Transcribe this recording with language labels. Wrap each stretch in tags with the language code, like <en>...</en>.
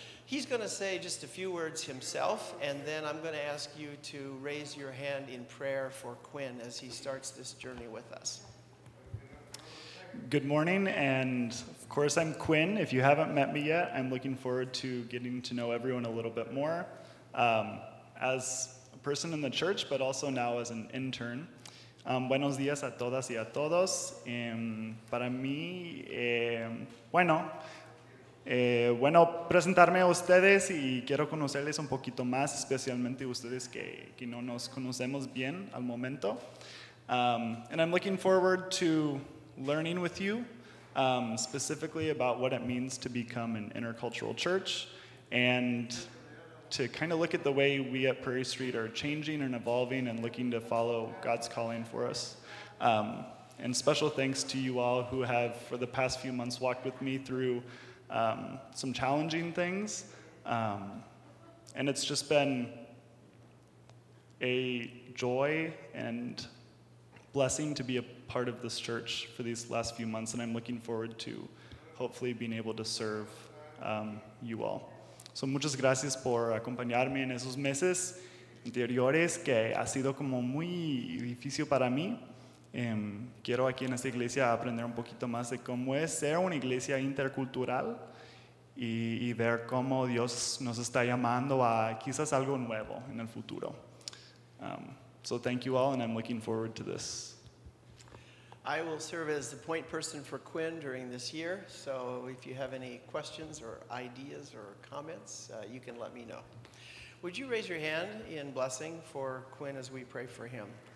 <en>He's going to say just a few words himself, and then I'm going to ask you to raise your hand in prayer for Quinn as he starts this journey with us. Good morning, and of course, I'm Quinn. If you haven't met me yet, I'm looking forward to getting to know everyone a little bit more as a person in the church, but also now as an intern.</en> <es>Buenos días a todas y a todos. Para mí, bueno, presentarme a ustedes y quiero conocerles un poquito más, especialmente ustedes que no nos conocemos bien al momento.</es> <en>And I'm looking forward to learning with you, specifically about what it means to become an intercultural church and to kind of look at the way we at Prairie Street are changing and evolving and looking to follow God's calling for us. And special thanks to you all who have, for the past few months, walked with me through some challenging things. And it's just been a joy and blessing to be a part of this church for these last few months, and I'm looking forward to hopefully being able to serve you all.</en> <es>So muchas gracias por acompañarme en esos meses anteriores que ha sido como muy difícil para mí. Quiero aquí en esta iglesia aprender un poquito más de cómo es ser una iglesia intercultural y ver cómo Dios nos está llamando a quizás algo nuevo en el futuro.</es> <en>So thank you all, and I'm looking forward to this. I will serve as the point person for Quinn during this year, so if you have any questions or ideas or comments, you can let me know. Would you raise your hand in blessing for Quinn as we pray for him?</en>